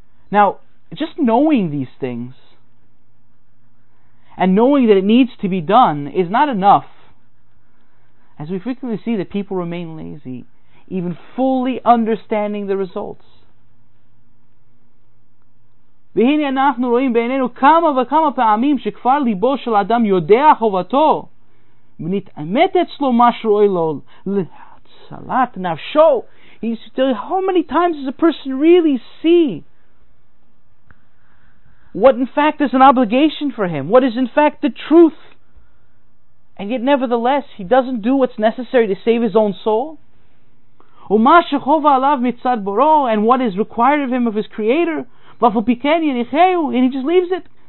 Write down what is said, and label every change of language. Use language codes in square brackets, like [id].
[en] Now, just knowing these things, and knowing that it needs to be done, is not enough. As we frequently see, that people remain lazy, even fully understanding the results. [he] והנה אנחנו רואים בעינינו כמה וכמה פעמים שכבר ליבו של אדם יודע חובתו ונתעמת אצלו מה שרואה לו להצלת נפשו. [en] How many times does a person really see what in fact is an obligation for him, what is in fact the truth, and yet nevertheless he doesn't do what's necessary to save his own soul? [he] ומה שחובה עליו מצד בורו, [en] and what is required of him of his creator, and he just leaves it.